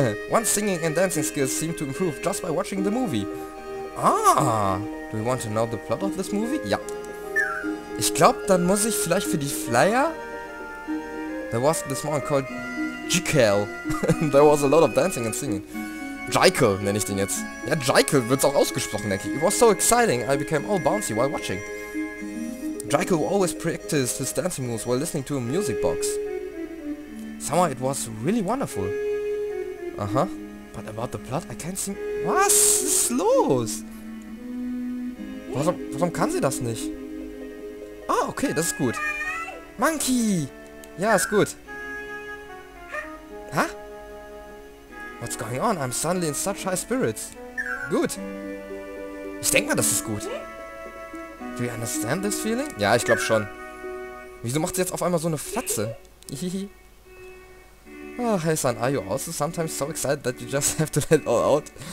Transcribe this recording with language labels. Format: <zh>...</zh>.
<en>One singing and dancing skills seem to improve just by watching the movie. Ah. Do you want to know the plot of this movie?</en> <de>Ja. Ich glaube, dann muss ich vielleicht für die Flyer...</de> <en>There was this one called Jekyll. There was a lot of dancing and singing.</en> <de>Jekyll nenne ich den jetzt. Ja, Jekyll wird's auch ausgesprochen, denke ich.</de> <en>It was so exciting, I became all bouncy while watching. Jekyll always practiced his dancing moves while listening to a music box. Somehow it was really wonderful. Uh-huh. But about the plot, I can't see...</en> <de>Was ist los? Warum kann sie das nicht? Ah, okay, das ist gut. Monkey! Ja, ist gut. Hä?</de> <en>What's going on? I'm suddenly in such high spirits.</en> <de>Gut. Ich denke mal, das ist gut.</de> <en>Do you understand this feeling?</en> <de>Ja, ich glaube schon. Wieso macht sie jetzt auf einmal so eine Fratze? Hihihi.</de> <en>Oh, hey son, are you also sometimes so excited that you just have to let it all out?</en>